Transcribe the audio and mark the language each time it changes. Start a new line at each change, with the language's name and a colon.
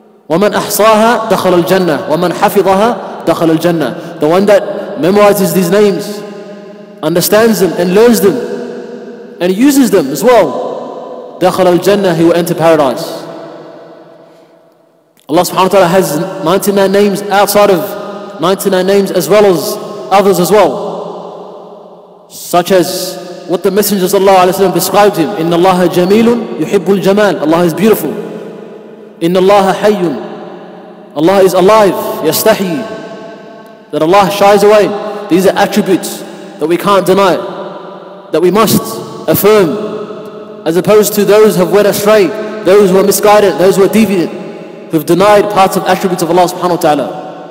Arabic: وَمَنْ أَحْصَاهَا دَخَلَ الْجَنَّةِ
English: وَمَنْ حَفِظَهَا
Arabic: دَخَلَ الْجَنَّةِ
English: The one that memorizes these names, understands them and learns them, and uses them as well, دَخَلَ الْجَنَّةِ He will enter paradise. Allah subhanahu wa ta'ala has 99 names outside of 99 names as well as others as well. Such as what the Messenger of Allah described him.
Arabic: إِنَّ اللَّهَ جَمِيلٌ يُحِبُّ الْجَمَالِ
English: Allah is beautiful.
Arabic: إِنَّ اللَّهَ حَيٌّ
English: Allah is alive.
Arabic: يَسْتَحِي
English: That Allah shies away. These are attributes that we can't deny, that we must affirm, as opposed to those who have went astray, those who are misguided, those who are deviant, who have denied parts of attributes of Allah subhanahu wa ta'ala.